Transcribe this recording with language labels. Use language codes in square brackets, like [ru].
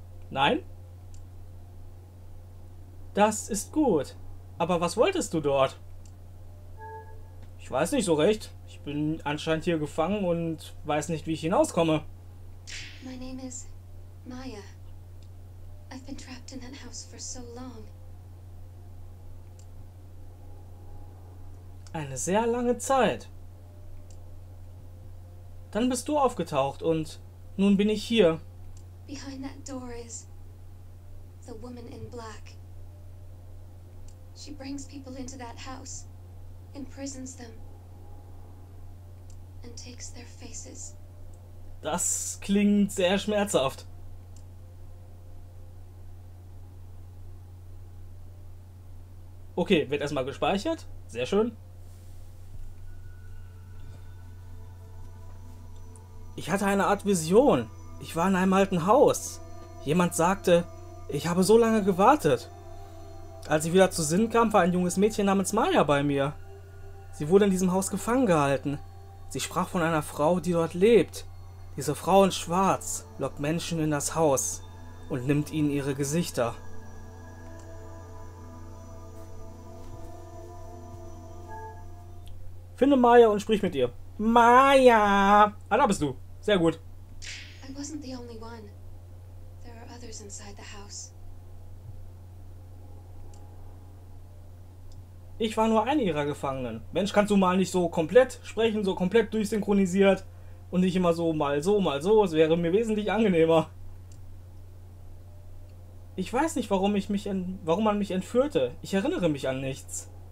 [de] Nein? Das ist gut. Aber was wolltest du dort? Ich weiß nicht so recht. Ich bin anscheinend hier gefangen und weiß nicht, wie ich hinauskomme. Mein Name ist Maya. [en] I've been trapped in that house for so long. [de] Eine sehr lange Zeit. Dann bist du aufgetaucht und nun bin ich hier. [en] Behind that door is the woman in black. She brings people into that house, imprisons them, and takes their faces. [de] Das klingt sehr schmerzhaft. Okay, wird erstmal gespeichert. Sehr schön. Ich hatte eine Art Vision. Ich war in einem alten Haus. Jemand sagte, ich habe so lange gewartet. Als ich wieder zu Sinn kam, war ein junges Mädchen namens Maya bei mir. Sie wurde in diesem Haus gefangen gehalten. Sie sprach von einer Frau, die dort lebt. Diese Frau in Schwarz lockt Menschen in das Haus und nimmt ihnen ihre Gesichter. Finde Maya und sprich mit ihr. Maya! Ah, da bist du. Sehr gut. [en] I wasn't the only one. There are others inside the house. [de] Ich war nur eine ihrer Gefangenen. Mensch, kannst du mal nicht so komplett sprechen, so komplett durchsynchronisiert und nicht immer so, mal so, es wäre mir wesentlich angenehmer. Ich weiß nicht, warum man mich entführte. Ich erinnere mich an nichts.